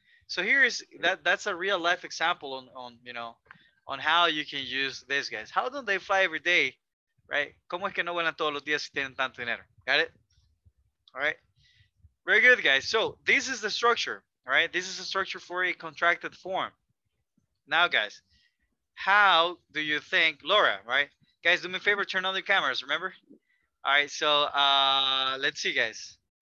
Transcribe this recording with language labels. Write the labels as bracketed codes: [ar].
[en] So here is that's a real life example on how you can use this, guys. How don't they fly every day? Right? [es] ¿Cómo es que no vuelan todos los días si tienen tanto dinero? [en] Got it? All right. Very good, guys. So this is the structure, all right? This is the structure for a contracted form. Now, guys, how do you think, Laura, right? Guys, do me a favor, turn on the cameras, remember? All right, so let's see, guys.